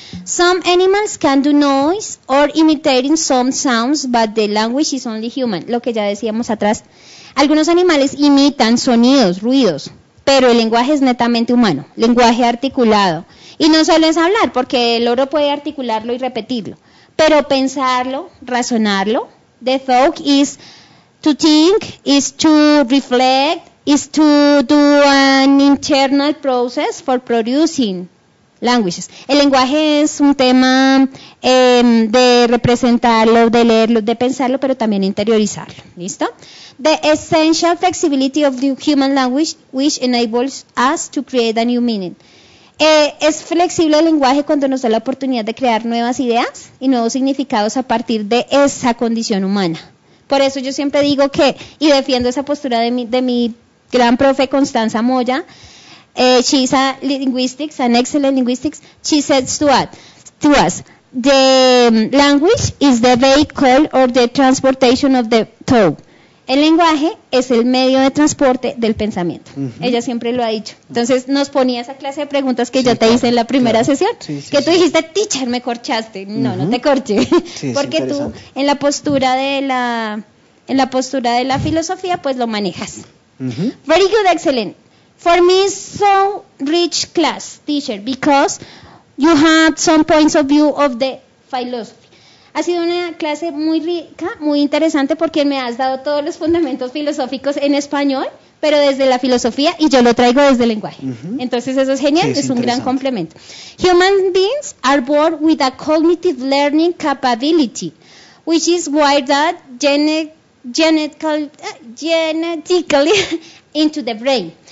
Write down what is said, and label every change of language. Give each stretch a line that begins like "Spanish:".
English: Some animals can do noise or imitating some sounds, but the language is only human.
Spanish: Lo que ya decíamos atrás. Algunos animales imitan sonidos, ruidos, pero el lenguaje es netamente humano, lenguaje articulado. Y no solo es hablar, porque el oro puede articularlo y repetirlo. Pero pensarlo, razonarlo,
English: the thought is to think, is to reflect, is to do an internal process for producing languages.
Spanish: El lenguaje es un tema de representarlo, de leerlo, de pensarlo, pero también interiorizarlo. ¿Listo?
English: The essential flexibility of the human language which enables us to create a new meaning.
Spanish: Es flexible el lenguaje cuando nos da la oportunidad de crear nuevas ideas y nuevos significados a partir de esa condición humana. Por eso yo siempre digo que, y defiendo esa postura de mi gran profe Constanza Moya,
English: she's a linguistics, an excellent linguistics, she says to us, the language is the vehicle or the transportation of the thought.
Spanish: El lenguaje es el medio de transporte del pensamiento. Uh-huh. Ella siempre lo ha dicho. Entonces, nos ponía esa clase de preguntas que sí, yo te hice en la primera sesión. Sí, sí, que sí. tú dijiste, teacher, me corchaste. No, uh-huh. no te corché. Sí, porque tú, en la postura de la filosofía, pues lo manejas. Uh-huh.
English: Very good, excellent. For me, so rich class, teacher, because you have some points of view of the philosophy.
Spanish: Ha sido una clase muy rica, muy interesante, porque me has dado todos los fundamentos filosóficos en español, pero desde la filosofía, y yo lo traigo desde el lenguaje. Uh-huh. Entonces eso es genial, sí, es un gran complemento.
English: Human beings are born with a cognitive learning capability, which is wired that genetically into the brain.